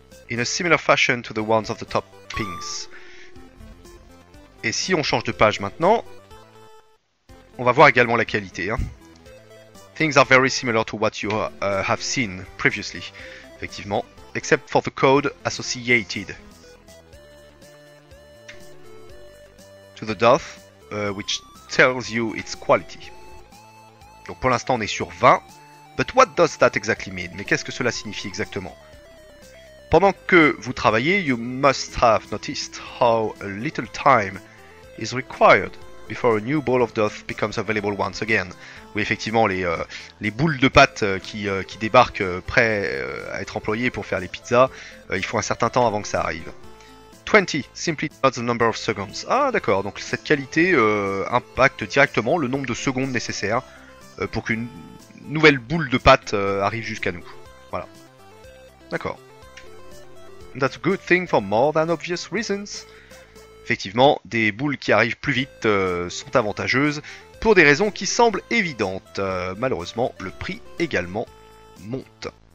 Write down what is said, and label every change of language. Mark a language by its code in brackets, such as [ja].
[en] In a similar fashion to the ones of the toppings. [fr] Et si on change de page maintenant, on va voir également la qualité. Hein. [en] Things are very similar to what you have seen previously, effectivement. Except for the code associated to the doth. Which tells you its quality. [fr] Donc pour l'instant on est sur 20. [en] But what does that exactly mean? [fr] Mais qu'est-ce que cela signifie exactement? Pendant que vous travaillez, [en] you must have noticed how a little time is required before a new bowl of dough becomes available once again. [fr] Oui, effectivement, les boules de pâte qui débarquent prêts à être employées pour faire les pizzas, il faut un certain temps avant que ça arrive. 20, [en] simply not the number of seconds. [fr] Ah, d'accord, donc cette qualité impacte directement le nombre de secondes nécessaires pour qu'une nouvelle boule de pâte arrive jusqu'à nous. Voilà. D'accord. [en] That's a good thing for more than obvious reasons. [fr] Effectivement, des boules qui arrivent plus vite sont avantageuses pour des raisons qui semblent évidentes. Malheureusement, le prix également monte.